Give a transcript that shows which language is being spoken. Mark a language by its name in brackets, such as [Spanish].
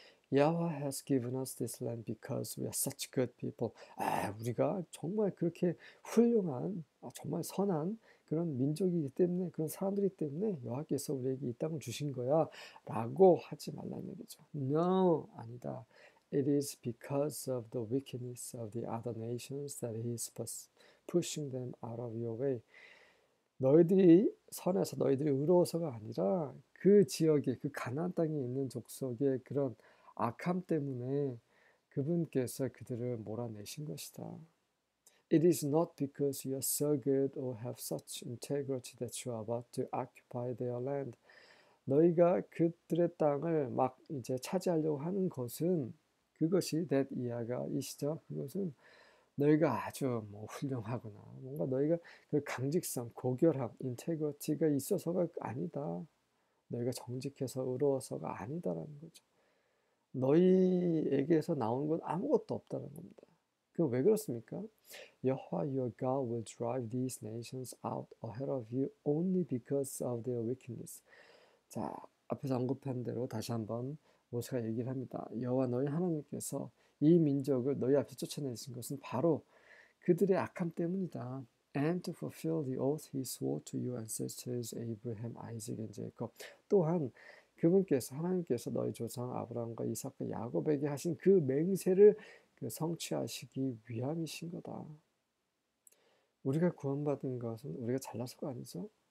[English] Yahweh has given us this land because we are such good people. [Korean] 아, 우리가 정말 그렇게 훌륭한, 정말 선한 그런 민족이기 때문에, 그런 사람들이기 때문에 여호와께서 우리에게 이 땅을 주신 거야 라고 하지 말라는 얘기죠. No, 아니다. [English] It is because of the wickedness of the other nations that he is pushing them out of your way. [Korean] 너희들이 선해서, 너희들이 의로워서가 아니라 그 지역에, 그 가나안 땅에 있는 족속의 그런 악함 때문에 그분께서 그들을 몰아내신 것이다. [English] It is not because you are so good or have such integrity that you are about to occupy their land. [Korean] 너희가 그들의 땅을 막 이제 차지하려고 하는 것은 그것이 that 이하가 이시죠. 그것은 너희가 아주 뭐 훌륭하거나 뭔가 너희가 그 강직성, 고결함, 인테그리티가 있어서가 아니다. 너희가 정직해서 의로워서가 아니다라는 거죠. 너희에게서 나온 건 아무것도 없다는 겁니다. 그럼 왜 그렇습니까? [English] Yahweh your God will drive these nations out ahead of you only because of their wickedness. [Korean] 자, 앞에서 언급한 대로 다시 한번 모세가 얘기를 합니다. 여호와 너희 하나님께서 이 민족을 너희 앞에 쫓아내신 것은 바로 그들의 악함 때문이다. [English] And to fulfill the oath he swore to your ancestors Abraham, Isaac, and Jacob. [Korean] 또한 그분께서 하나님께서 너희 조상 아브라함과 이삭과 야곱에게 하신 그 맹세를 성취하시기 위함이신 거다. 우리가 구원받은 것은 우리가 잘나서가 아니죠.